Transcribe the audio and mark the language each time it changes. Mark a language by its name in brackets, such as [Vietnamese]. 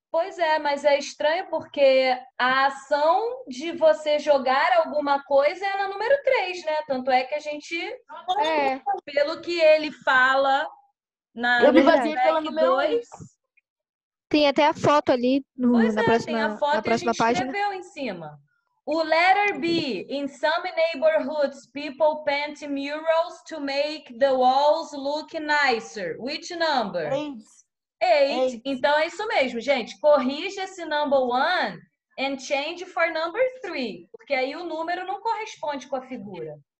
[Portuguese] Pois é, mas é estranho porque a ação de você jogar alguma coisa é na número 3, né? Tanto é que a gente. É. Pelo que ele fala na número 2. Tem até a foto ali no, pois na, é, próxima, tem a foto na próxima e a gente página. Escreveu em cima. [English] O letter B, in some neighborhoods, people paint murals to make the walls look nicer. Which number? Eight. [Portuguese] Então é isso mesmo, gente. Corrija esse [English] number one and change for number three. [Portuguese] Porque aí o número não corresponde com a figura.